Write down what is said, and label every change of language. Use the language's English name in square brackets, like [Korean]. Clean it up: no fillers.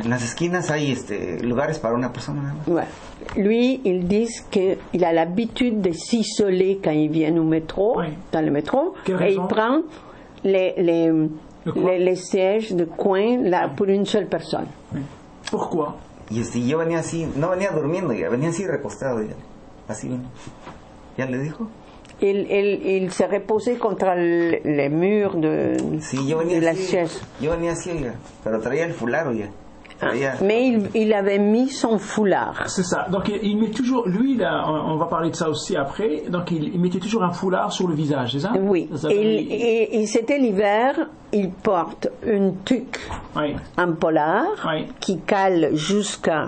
[Spanish] En las esquinas hay lugares para una persona nada más. [French] Bueno, lui, il dit que il a l'habitude de s'isoler quand il vient au métro, oui. Dans le métro, et il prend les sièges de coin là, oui. Pour une seule personne. Oui. Pourquoi? [Spanish] Y yo venía así, no venía durmiendo ya, venía así recostado ya, así, ya le dijo. Él se reposé contra el mur de, sí, yo venía de así, [French] la chaise. [Spanish] Yo venía así ya, pero traía el foulard ya. [French] Mais il avait mis son foulard. C'est ça. Donc il met toujours, lui, là, on va parler de ça aussi après. Donc il mettait toujours un foulard sur le visage, c'est ça? Oui. Et c'était l'hiver. Il porte une tuque, oui. Un polar, oui. Qui cale jusqu'à